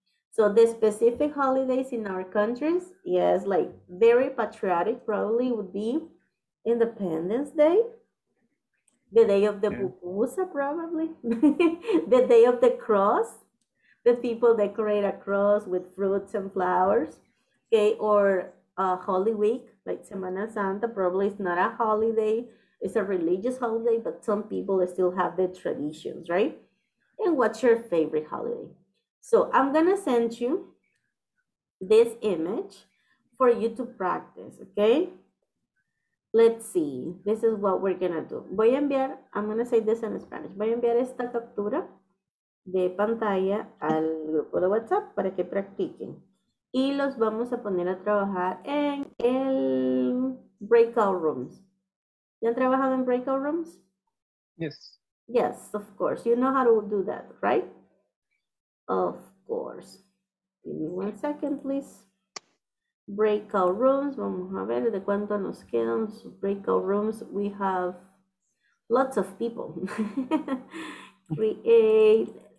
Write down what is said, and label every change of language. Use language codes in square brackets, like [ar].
[en] So the specific holidays in our countries, yes, like very patriotic probably would be Independence Day, the Day of the Pupusa probably, the Day of the Cross, the people decorate a cross with fruits and flowers, okay, or Holy Week, like Semana Santa, probably is not a holiday, it's a religious holiday, but some people still have the traditions, right? And what's your favorite holiday? So I'm gonna send you this image for you to practice, okay? Let's see, this is what we're gonna do. I'm gonna say this in Spanish. [es] Voy a enviar esta captura de pantalla al grupo de WhatsApp para que practiquen. Y los vamos a poner a trabajar en el breakout rooms. ¿Ya han trabajado en breakout rooms? [en] Yes. Yes, of course, you know how to do that, right? Of course. Give me one second, please. [es] Breakout rooms. Vamos a ver de cuánto nos quedan. Breakout rooms. [en] We have lots of people. Create.